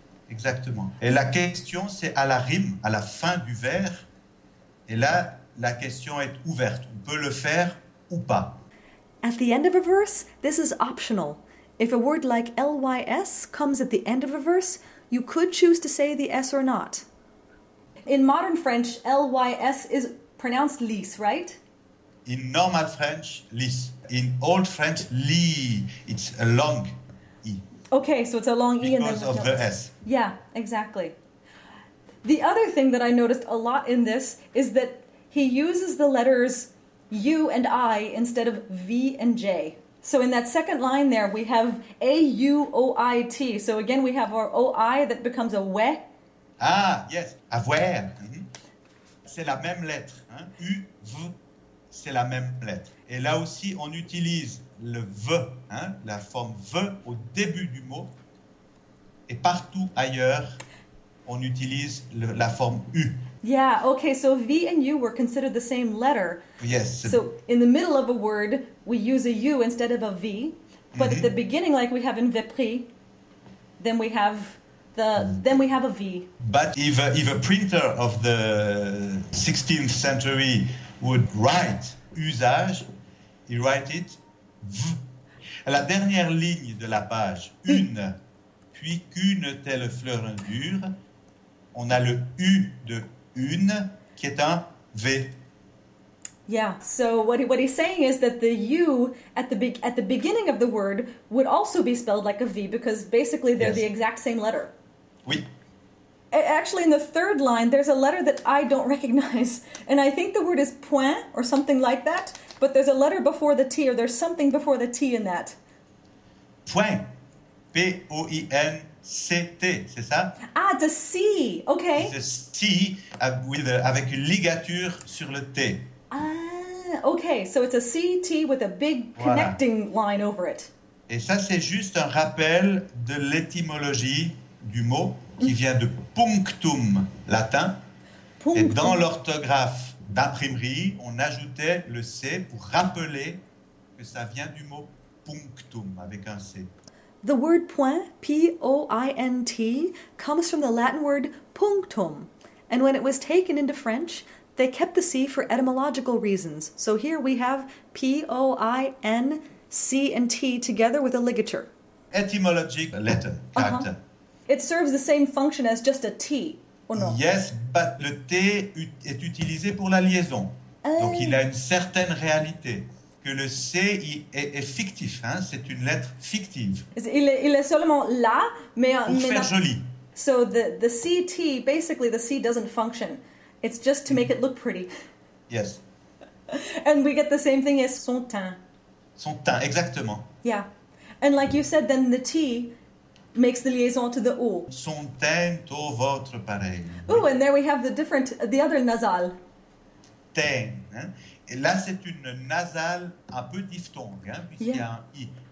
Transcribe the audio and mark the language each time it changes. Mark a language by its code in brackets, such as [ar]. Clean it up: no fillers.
[fr] Exactement. Et la question, c'est à la rime, à la fin du vers. Et là, la question est ouverte. On peut le faire ou pas. [en] At the end of a verse, this is optional. If a word like L-Y-S comes at the end of a verse, you could choose to say the S or not. In modern French, L-Y-S is pronounced lys, right? In normal French, lys. In old French, li. It's a long E. Okay, so it's a long E. Because of the S. Yeah, exactly. The other thing that I noticed a lot in this is that he uses the letters U and I instead of V and J. So in that second line there, we have A-U-O-I-T. So again, we have our O-I that becomes a W-E. Ah, yes, [fr] avoir. Mm-hmm. C'est la même lettre. Hein? U, V, c'est la même lettre. Et là aussi, on utilise le V, hein? La forme V au début du mot. Et partout ailleurs, on utilise la forme U. [en] Yeah, okay, so V and U were considered the same letter. Yes. So in the middle of a word, we use a U instead of a V. But mm-hmm. at the beginning, like we have in Vepris, then we have a V. But if a printer of the 16th century would write usage, he write it V. [fr] À la dernière ligne de la page, une, puis qu'une telle fleur dure, on a le U de une qui est un V. [en] Yeah, so what he's saying is that the U at the beginning of the word would also be spelled like a V because basically they're the exact same letter. [fr] Oui. [en] Actually, in the third line, there's a letter that I don't recognize. And I think the word is point or something like that, but there's a letter before the T or there's something before the T in that. [fr] Point. P-O-I-N-C-T, c'est ça? [en] Ah, it's a C, okay. It's a T [fr] avec une ligature sur le T. [en] Ah, okay, so it's a CT with a big connecting line over it. [fr] Et ça, c'est juste un rappel de l'étymologie du mot qui vient de punctum latin. Punctum. Et dans l'orthographe d'imprimerie, on ajoutait le C pour rappeler que ça vient du mot punctum avec un C. [en] The word point, P-O-I-N-T, comes from the Latin word punctum. And when it was taken into French, they kept the C for etymological reasons. So here we have P-O-I-N, C and T together with a ligature. Etymologic letter, character. It serves the same function as just a T, or no? Yes, but [fr] le T est utilisé pour la liaison. Donc il a une certaine réalité. Que le C est fictif, hein? C'est une lettre fictive. Il est seulement là, mais... Pour faire joli. [en] So the CT, basically the C doesn't function. It's just to make it look pretty. Yes. And we get the same thing as son teint. [fr] Son teint, exactement. [en] Yeah. And like you said, then the T makes the liaison to the O. [fr] Son teint au votre pareil. [en] Ooh, and there we have the other nasal. [fr] Teint. Hein? Et là, c'est une nasale un peu diphtongue, hein, puisqu'il y a un I.